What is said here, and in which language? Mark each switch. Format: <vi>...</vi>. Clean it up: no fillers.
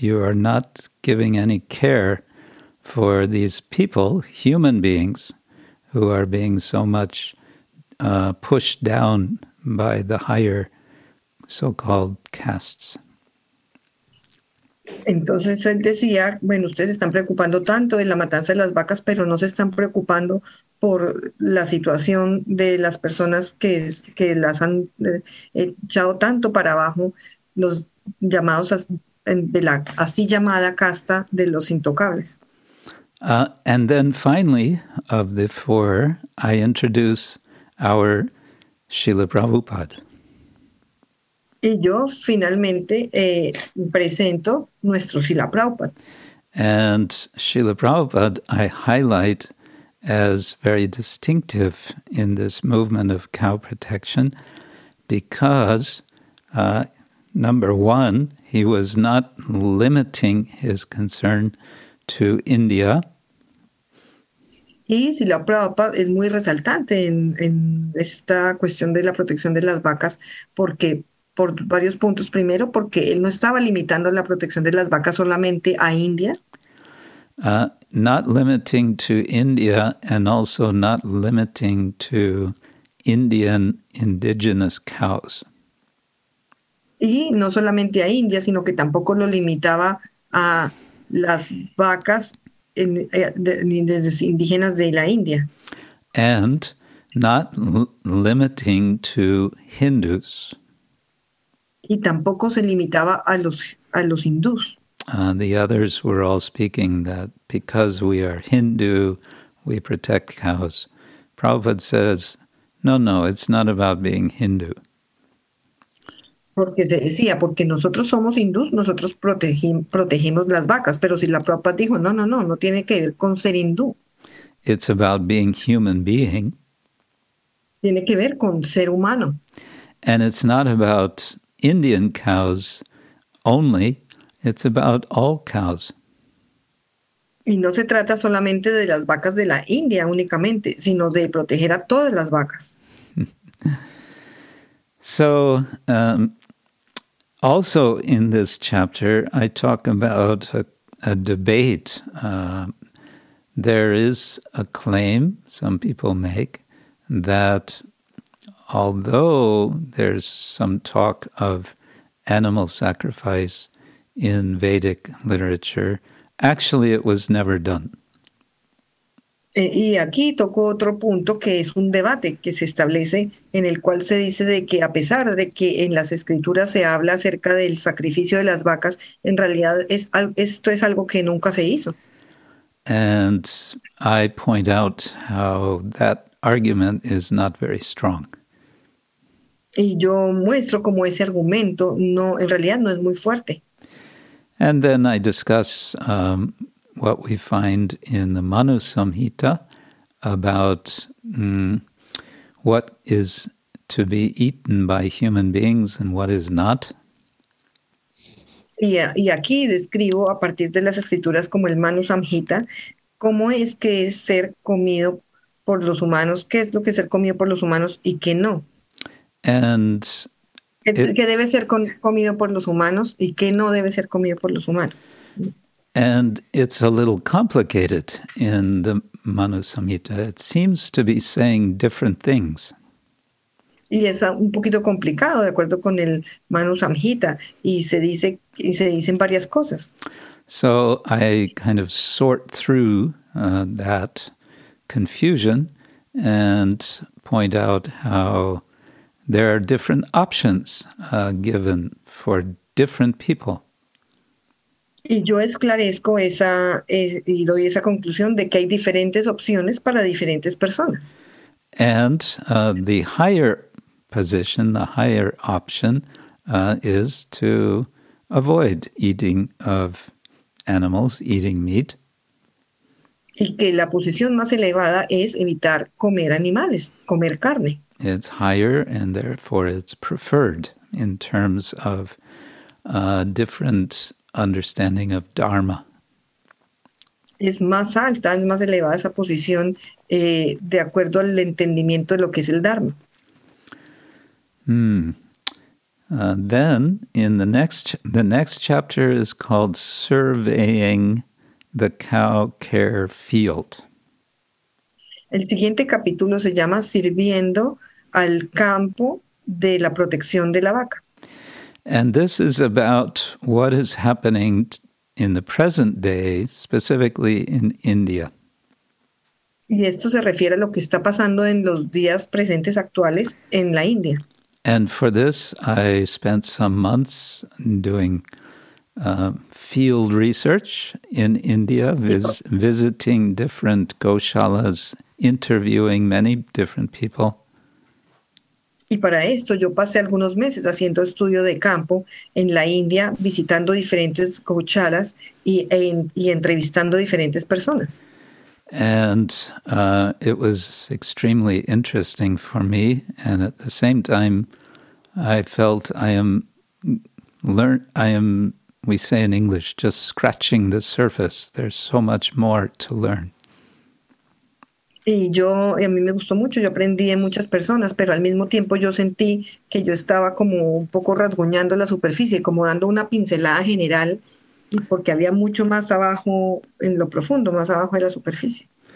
<en>You are not giving any care for these people, human beings, who are being so much pushed down by the higher so-called castes.</en> <es>Entonces él decía, ustedes están preocupando tanto de la matanza de las vacas, pero no se están preocupando por la situación de las personas que las han echado tanto para abajo, los llamados de la así llamada casta de los intocables.</es> <en>And then finally, of the four, I introduce our Srila Prabhupada.</en> <es>Y yo finalmente presento nuestro Srila Prabhupada.</es> <en>And Srila Prabhupada I highlight as very distinctive in this movement of cow protection because, number one, he was not limiting his concern to India.</en> <es>Y si la Prabhupada es muy resaltante en esta cuestión de la protección de las vacas, porque por varios puntos. Primero, porque él no estaba limitando la protección de las vacas solamente a India.</es> <en>Not limiting to India and also not limiting to Indian indigenous cows.</en> <es>Y no solamente a India, sino que tampoco lo limitaba a las vacas indígenas de la India.</es> <en>And not limiting to Hindus.</en> <es>Y tampoco se limitaba a los hindús.</es> <en>The others were all speaking that because we are Hindu, we protect cows. Prabhupada says, no, no, it's not about being Hindu.</en> <es>Porque se decía, porque nosotros somos hindús, nosotros protegemos las vacas. Pero si la Prabhupada dijo, no tiene que ver con ser hindú.</es> <en>It's about being human being.</en> <es>Tiene que ver con ser humano.</es> <en>And it's not about Indian cows only, it's about all cows.</en> <es>Y no se trata solamente de las vacas de la India únicamente, sino de proteger a todas las vacas.</es> <en>So, also in this chapter, I talk about a debate. There is a claim some people make that although there's some talk of animal sacrifice in Vedic literature, actually it was never done.</en> <es>Y aquí toco otro punto que es un debate que se establece en el cual se dice de que a pesar de que en las escrituras se habla acerca del sacrificio de las vacas, en realidad esto es algo que nunca se hizo.</es> <en>And I point out how that argument is not very strong.</en> <es>Y yo muestro cómo ese argumento no, en realidad no es muy fuerte.</es> <en>And then I discuss what we find in the Manu Samhita about what is to be eaten by human beings and what is not.</en> <es>Y aquí describo a partir de las escrituras como el Manu Samhita, cómo es que es ser comido por los humanos, qué es lo que es ser comido por los humanos y qué no.</es> <en>And</en> <es>que debe ser comido por los humanos y que no debe ser comido por los humanos.</es> <en>And it's a little complicated in the Manu Samhita. It seems to be saying different things.</en> <es>Y es un poquito complicado de acuerdo con el Manu Samhita y se dicen varias cosas.</es> <en>So I kind of sort through that confusion and point out how there are different options given for different people.</en> <es>Y yo esclarezco y doy esa conclusión de que hay diferentes opciones para diferentes personas.</es> <en>And the higher position, the higher option is to avoid eating of animals, eating meat.</en> <es>Y que la posición más elevada es evitar comer animales, comer carne.</es> <en>It's higher and therefore it's preferred in terms of different understanding of dharma.</en> <es>Es más alta, es más elevada esa posición de acuerdo al entendimiento de lo que es el dharma.</es> <en>Then in the next chapter is called Surveying the Cow Care Field.</en> <es>El siguiente capítulo se llama Sirviendo al campo de la protección de la vaca.</es> <en>And this is about what is happening in the present day, specifically in India.</en> <es>Y esto se refiere a lo que está pasando en los días presentes actuales en la India.</es> <en>And for this, I spent some months doing field research in India, visiting different goshalas, interviewing many different people.</en> <es>Y para esto yo pasé algunos meses haciendo estudio de campo en la India, visitando diferentes gauchalas y entrevistando diferentes personas.</es> <en>And it was extremely interesting for me, and at the same time I felt I am learn. I am, we say in English, just scratching the surface. There's so much more to learn.</en> <es>Y yo, a mí me gustó mucho, yo aprendí de muchas personas, pero al mismo tiempo yo sentí que yo estaba como un poco rasguñando la superficie, como dando una pincelada general, porque había mucho más abajo en lo profundo, más abajo de la superficie.</es>